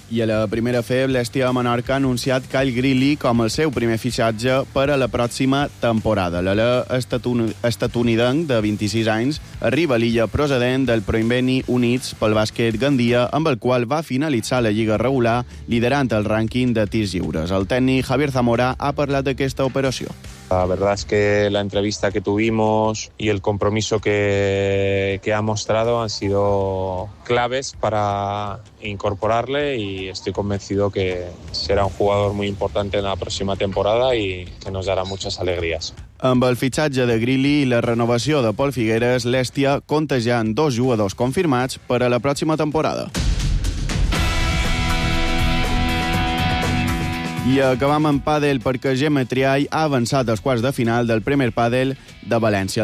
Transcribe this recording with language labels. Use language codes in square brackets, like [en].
[ca] I a la primera FEB, l'Estia de Menorca ha anunciat Kyle Greeley com el seu primer fitxatge per a la pròxima temporada. L'ala estatunidenc de 26 anys arriba a l'illa procedent del Proinveni Units pel bàsquet Gandia, amb el qual va finalitzar la lliga regular liderant el rànquing de tirs lliures. El tècnic Javier Zamora ha parlat d'aquesta operació. [es] La verdad es que la entrevista que tuvimos y el compromiso que ha mostrado han sido claves para incorporarle y estoy convencido que será un jugador muy importante en la próxima temporada y que nos dará muchas alegrías. [ca] Amb el fitxatge de Grilli i la renovació de Pol Figueres, l'Èstia compta ja amb dos jugadors confirmats per a la pròxima temporada. I acabam en pàdel, perquè Gemma Triay ha avançat als quarts de final del primer pàdel de València.